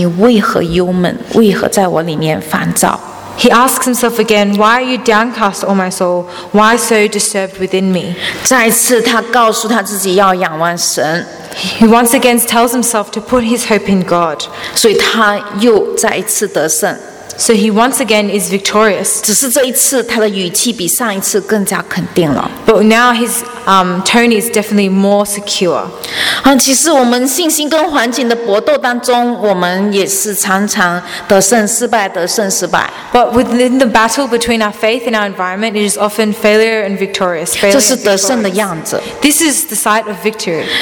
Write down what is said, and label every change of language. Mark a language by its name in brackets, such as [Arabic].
[Chinese] 他再一次问我的心哪，你为何忧闷？为何在我里面烦躁？ [English] He asks himself again, why are you downcast, O my soul? Why so disturbed within me? [Chinese] 再次他告诉他自己要仰望神。 [English] He once again tells himself to put his hope in God. [Chinese] 所以他又再一次得胜。 [English] So he once again is victorious. [Chinese] 只是这一次他的语气比上一次更加肯定了。 [English] But now his tone is definitely more secure. [Chinese] 其实我们信心跟环境的搏斗当中，我们也是常常得胜失败。 [English] But within the battle between our faith and our environment, it is often failure and victorious. [Chinese] 这是得胜的样子。 [English] This is the sight of victory.